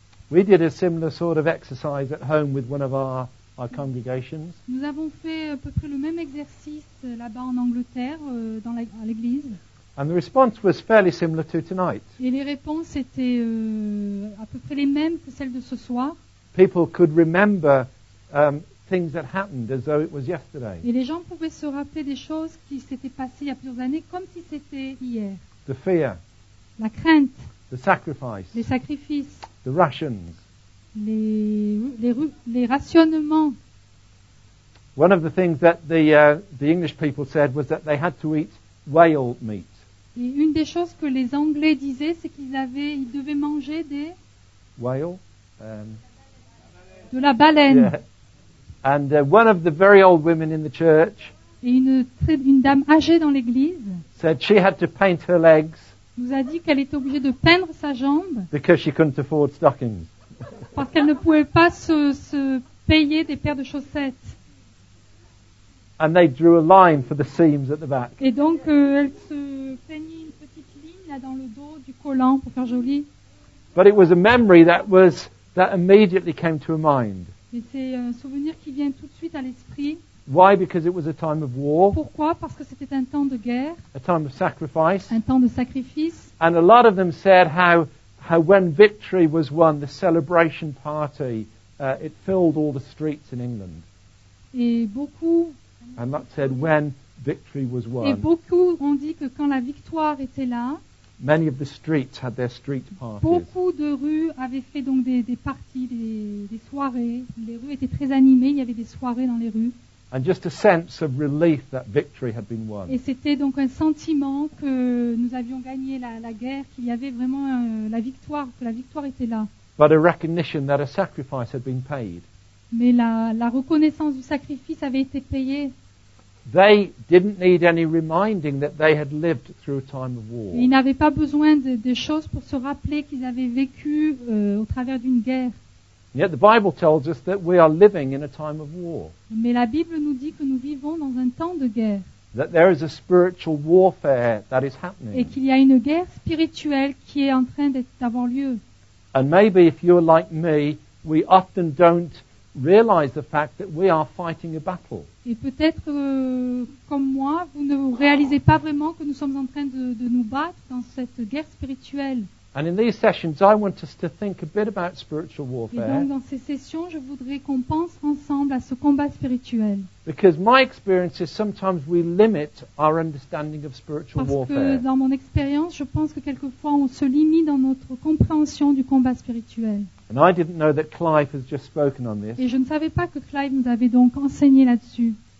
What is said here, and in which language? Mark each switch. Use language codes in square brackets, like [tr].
[en] We did a similar sort of exercise at home with one of our congregations. [fr] Nous avons fait à peu près le même exercice là-bas en Angleterre, à l'église. [en] And the response was fairly similar to tonight. [fr] Et les réponses étaient à peu près les mêmes que celles de ce soir. [en] People could remember. Things that happened as though it was yesterday. [fr] Et les gens pouvaient se rappeler des choses qui s'étaient passées il y a plusieurs années comme si c'était hier. [en] The fear. [fr] La crainte. [en] The sacrifice. [fr] Les sacrifices. [en] The rations. [fr] Les rationnements. [en] One of the things that the English people said was that they had to eat whale meat. [fr] Et une des choses que les Anglais disaient, c'est qu'ils devaient manger des [en] whale. [fr] De la baleine. [en] Yeah. And one of the very old women in the church [fr] une dame âgée dans l'église [en] said she had to paint her legs [fr] nous a dit qu'elle était obligée de peindre sa jambe [en] because she couldn't afford stockings. [fr] Parce qu'elle ne pouvait pas se payer des paires de chaussettes. [en] And they drew a line for the seams at the back. [fr] Et donc elle se peignit une petite ligne là dans le dos du collant pour faire joli. [en] But it was a memory that immediately came to her mind. [fr] Et c'est un souvenir qui vient tout de suite à l'esprit. [en] Why? Because it was a time of war. [fr] Pourquoi? Parce que c'était un temps de guerre. [en] A time of sacrifice. [fr] Un temps de sacrifice. [en] And a lot of them said how when victory was won, the celebration party, it filled all the streets in England. [fr] Et beaucoup. [en] And that said when victory was won. [fr] Et beaucoup ont dit que quand la victoire était là. [en] Many of the streets had their street parties. [fr] Beaucoup de rues avaient fait donc des parties, des soirées. Les rues étaient très animées, il y avait des soirées dans les rues. [en] And just a sense of relief that victory had been won. [fr] Et c'était donc un sentiment que nous avions gagné la guerre, qu'il y avait vraiment la victoire, que la victoire était là. [en] But a recognition that a sacrifice had been paid. [fr] Mais la reconnaissance du sacrifice avait été payée. [en] They didn't need any reminding that they had lived through a time of war. [fr] Ils n'avaient pas besoin de choses pour se rappeler qu'ils avaient vécu au travers d'une guerre. [en] Yet the Bible tells us that we are living in a time of war. [fr] Mais la Bible nous dit que nous vivons dans un temps de guerre. [en] That there is a spiritual warfare that is happening. [fr] Et qu'il y a une guerre spirituelle qui est en train d'avoir lieu. [en] And maybe if you're like me, we often don't realize the fact that we are fighting a battle. [fr] Et peut-être comme moi, vous ne réalisez pas vraiment que nous sommes en train de nous battre dans cette guerre spirituelle. [en] And in these sessions, I want us to think a bit about spiritual warfare. [fr] Et donc dans ces sessions, je voudrais qu'on pense ensemble à ce combat spirituel. [en] Because my experience is sometimes we limit our understanding of spiritual warfare. [fr] Parce que dans mon expérience, je pense que quelquefois on se limite dans notre compréhension du combat spirituel. [en] And I didn't know that Clive has just spoken on this. [fr] Et je ne savais pas que Clive nous avait donc enseigné là-dessus.